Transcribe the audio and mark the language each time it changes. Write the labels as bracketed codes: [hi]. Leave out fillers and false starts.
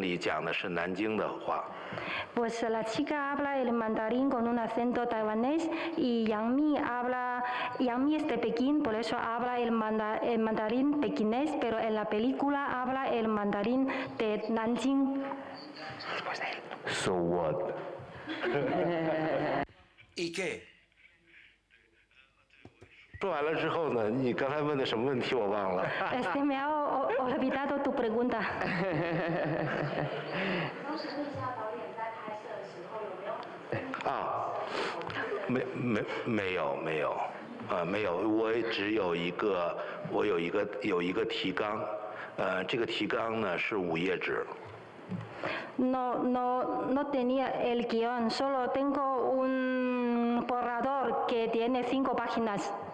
[zh] 他讲的是台湾的普通话，杨幂讲的是北京的普通话，杨幂在电影里讲的是南京的话。 [es] Pues la chica habla el mandarín con un acento taiwanés y Yang Mi es de Pekín, por eso habla el mandarín pekinés, pero en la película habla el mandarín de Nanjing. [en] So what? [es] ¿Y qué? [zh] 说完了之后呢？你刚才问的什么问题我忘了。 [es] Este me ha olvidado tu pregunta. [zh] 啊，没有，我只有一个，我有一个提纲，这个提纲呢是五页纸。 [es] No tenía el guión, solo tengo un borrador que tiene 5 páginas.